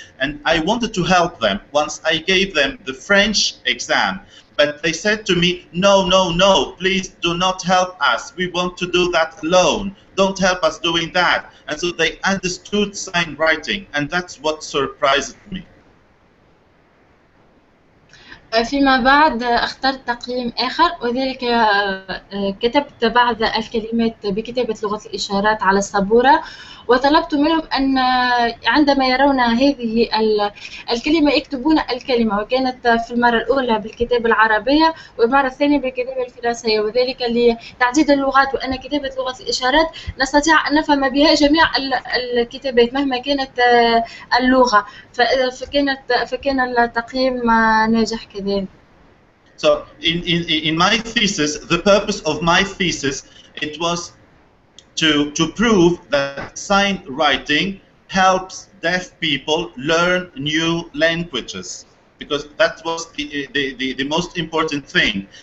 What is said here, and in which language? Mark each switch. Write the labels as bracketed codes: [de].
[en] And I wanted to help them once I gave them the French exam, but they said to me, no, please do not help us. We want to do that alone. Don't help us doing that. And so they understood sign writing, and that's what surprised me. [ar] فيما بعد اخترت تقييم اخر، وذلك كتبت بعض الكلمات بكتابة لغة الاشارات على السبورة، وطلبت منهم ان عندما يرون هذه الكلمة يكتبون الكلمة، وكانت في المرة الاولى بالكتابة العربية والمرة الثانية بالكتابة الفرنسية، وذلك لتعديد اللغات، وان كتابة لغة الاشارات نستطيع ان نفهم بها جميع الكتابات مهما كانت اللغة، فكان التقييم ناجح كذلك. [en] So in my thesis, the purpose of my thesis, it was to prove that sign writing helps deaf people learn new languages, because that was the most important thing.